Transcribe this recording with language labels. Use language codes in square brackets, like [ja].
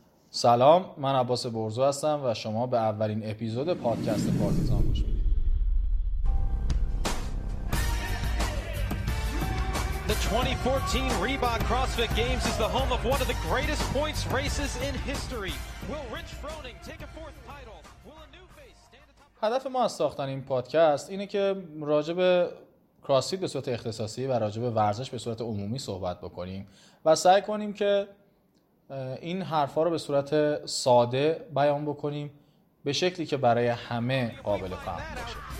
[fa] سلام، من عباس برزو هستم و شما به اولین اپیزود پادکست پارتیزان گوش میدید. [en] The 2014 Reebok CrossFit Games is the home of one of the greatest points races in history. Will Rich Froning take a fourth title? Will a new face stand atop? [fa] هدف ما از ساختن این پادکست اینه که راجع به کراسفیت به صورت اختصاصی و راجع به ورزش به صورت عمومی صحبت بکنیم و سعی کنیم که این حرفا رو به صورت ساده بیان بکنیم به شکلی که برای همه قابل فهم باشه.